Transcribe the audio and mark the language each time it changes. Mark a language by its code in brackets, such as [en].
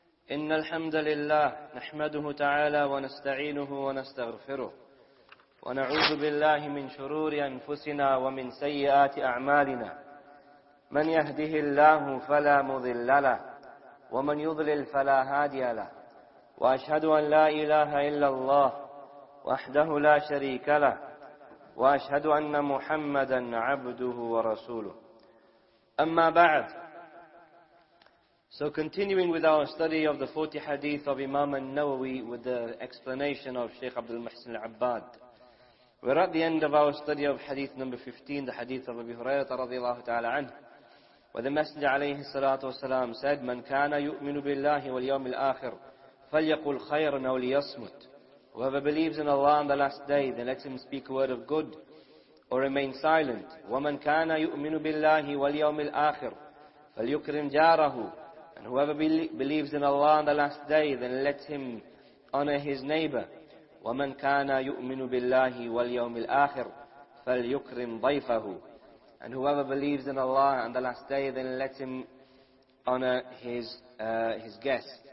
[ar] إن الحمد لله نحمده تعالى ونستعينه ونستغفره ونعوذ بالله من شرور أنفسنا ومن سيئات أعمالنا، من يهده الله فلا مضل له ومن يضلل فلا هادي له، وأشهد أن لا إله إلا الله وحده لا شريك له، وأشهد أن محمدا عبده ورسوله. أما بعد، [en] so continuing with our study of the 40 hadith of Imam al-Nawawi with the explanation of Shaykh Abdul Muhsin al-Abbad, we're at the end of our study of hadith number 15, the hadith of Abi Hurairah radiallahu ta'ala anhu, where the Messenger alayhi salatu wasalam said, [ar] من كان يؤمن بالله واليوم الآخر فليقل خيرا أو ليصمت. [en] Whoever believes in Allah on the last day, then let him speak a word of good or remain silent. [ar] ومن كان يؤمن بالله واليوم الآخر فليكرم جاره. [en] And whoever believes in Allah on the last day, then let him honor his neighbor. [ar] وَمَنْ كَانَ يُؤْمِنُ بِاللَّهِ وَالْيَوْمِ الْآخِرِ فَلْيُكْرِمْ ضَيْفَهُ. [en] And whoever believes in Allah on the last day, then let him honor his guest.